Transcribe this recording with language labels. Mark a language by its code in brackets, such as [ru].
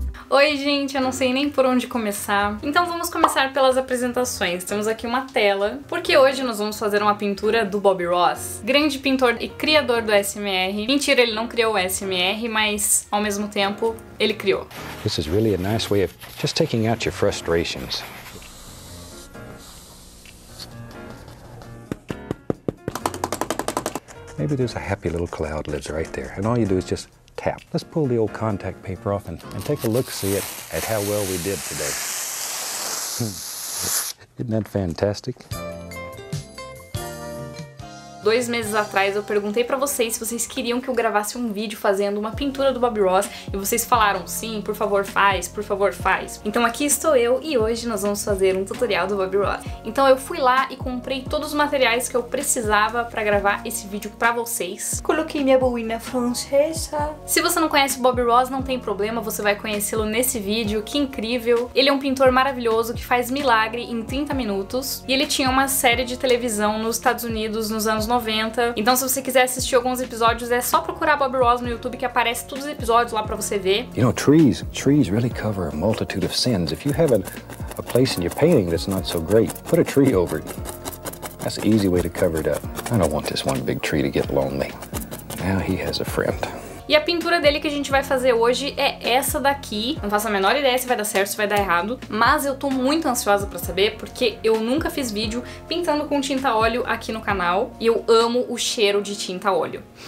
[pt] Oi, gente, eu não sei nem por onde começar. Então vamos começar pelas apresentações. Temos aqui uma tela, porque hoje nós vamos fazer uma pintura do Bob Ross, grande pintor e criador do ASMR. Mentira, ele não criou o ASMR, mas ao mesmo tempo, ele criou. [en] This is really a nice way of just taking out your frustrations. Maybe there's a happy little cloud lives right there, and all you do is just tap. Let's pull the old contact paper off and take a look, see it, at how well we did today. Isn't that fantastic? [pt] 2 meses atrás eu perguntei pra vocês se vocês queriam que eu gravasse um vídeo fazendo uma pintura do Bob Ross e vocês falaram sim, por favor faz. Então aqui estou eu e hoje nós vamos fazer um tutorial do Bob Ross. Então eu fui lá e comprei todos os materiais que eu precisava pra gravar esse vídeo pra vocês. Coloquei minha boina francesa. Se você não conhece o Bob Ross, não tem problema, você vai conhecê-lo nesse vídeo, que incrível. Ele é um pintor maravilhoso que faz milagre em 30 minutos e ele tinha uma série de televisão nos Estados Unidos nos anos 90, então se você quiser assistir alguns episódios, é só procurar Bob Ross no YouTube que aparece todos os episódios lá pra você ver. [en] You know, trees really cover a multitude of sins. If you have a place in your painting that's not so great, put a tree over it. That's an easy way to cover it up. I don't want this one big tree to get lonely. Now he has a friend. [pt] E a pintura dele que a gente vai fazer hoje é essa daqui. Não faço a menor ideia se vai dar certo, se vai dar errado. Mas eu tô muito ansiosa pra saber, porque eu nunca fiz vídeo pintando com tinta óleo aqui no canal. E eu amo o cheiro de tinta óleo.